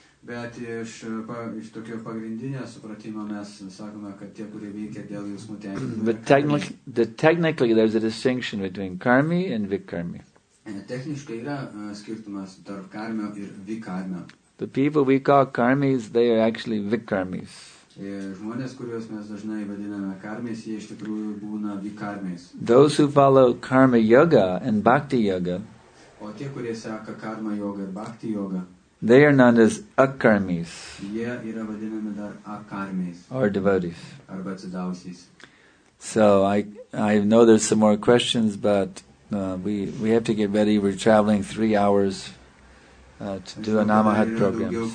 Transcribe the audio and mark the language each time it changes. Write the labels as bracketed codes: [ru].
[lt] Bet iš tokio pagrindinio supratimo mes sakome, kad tie, kurie veikia dėl jausmų tenkinimo. [en] Technically there's a distinction between karmi and vikarmi. [lt] Techniškai yra skirtumas tarp karmio ir vikarmio. [en] The people we call karmis, they are actually vikarmis. [lt] Žmonės, kuriuos mes dažnai vadiname karmis, jie iš tikrųjų būna vikarmis. [en] Those who follow karma yoga and bhakti yoga. [lt] O tie, kurie seka karma yoga ir bhakti yoga. [en] They are known as akarmis. [lt] Jie yra vadinami dar akarmis. [en] Or devotees. [lt] Arba atsidavusiais. [en] So I know there's some more questions, but we have to get ready. We're traveling 3 hours to do a Namahat program.